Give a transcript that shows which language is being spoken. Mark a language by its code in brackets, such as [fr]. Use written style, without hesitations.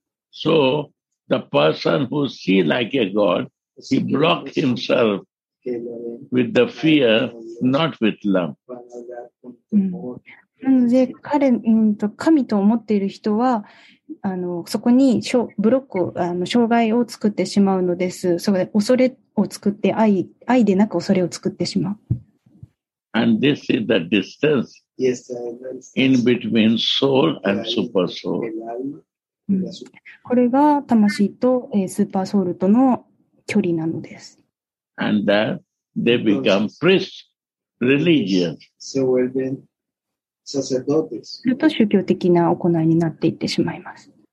[en] So the person who see like a god, he block himself with the fear, not with love. [ja] なので彼神と思っている人はそこにブロックを障害を作ってしまうのです。それで恐れを作って 愛でなく恐れを作ってしまう。 [en] And this is the distance in between soul and super soul. [ja] これが魂とスーパーソウルとの距離なのです。 [en] And that they become priests, religious. So well then. [ja] すると宗教的な行いになっていってしまいます。